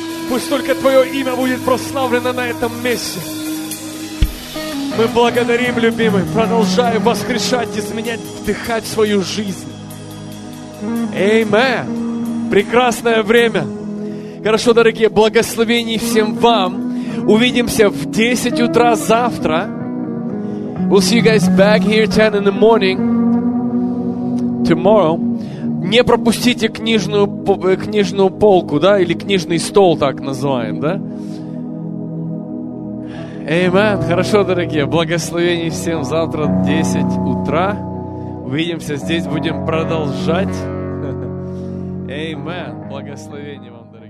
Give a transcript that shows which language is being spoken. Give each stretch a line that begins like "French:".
Russian: Пусть только Твое имя будет прославлено на этом месте. Мы благодарим, любимый, продолжаем воскрешать, изменять, вдыхать свою жизнь. Аминь. Прекрасное время. Хорошо, дорогие, благословений всем вам. Увидимся в 10 утра завтра.
English: We'll see you guys back here 10 in the morning tomorrow.
Russian: Не пропустите книжную полку, да, или книжный стол, так называем, да? Аминь. Хорошо, дорогие, благословений всем. Завтра 10 утра. Увидимся здесь, будем продолжать. Аминь. Благословения вам.